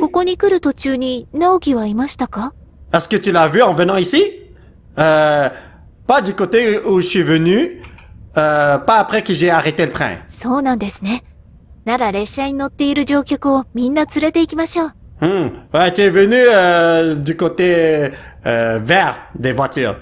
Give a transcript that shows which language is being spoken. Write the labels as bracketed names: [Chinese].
[Japanese] ここに来る途中にナオキはいましたか？ [French] Est-ce que tu l'as vu en venant ici? Pas du côté où je suis venu, pas après que j'ai arrêté le train. [Japanese] そうなんですね。なら列車に乗っている乗客をみんな連れて行きましょう。 [French] Ouais, tu es venu du côté vert des voitures.